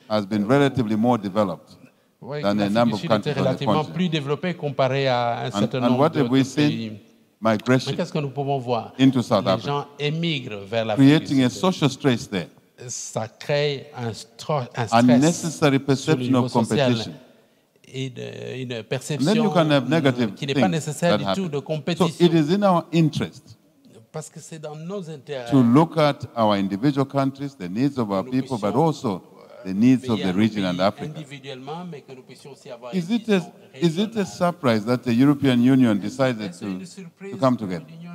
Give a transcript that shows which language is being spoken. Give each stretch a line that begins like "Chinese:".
English: has been relatively more developed than a number of countries on the continent.
French: Relativement plus développé comparé à un certain nombre de pays.
English: And what have we seen? Migration.
French: Mais qu'est-ce que nous pouvons voir?
English: Into South
French: Africa. Les gens émigrent vers
English: l'Afrique. Creating a social stress there.
French: Ça crée un stress.
English: Unnecessary perception of competition.
French: Une perception qui n'est pas nécessaire du tout de compétition.
English: So it is in our interest.
French: Parce que c'est dans nos intérêts.
English: To look at our individual countries, the needs of our people, but also the needs of the region and Africa.
French: Individuellement, mais que nous puissions aussi avoir.
English: Is it a surprise that the European Union decided to come together?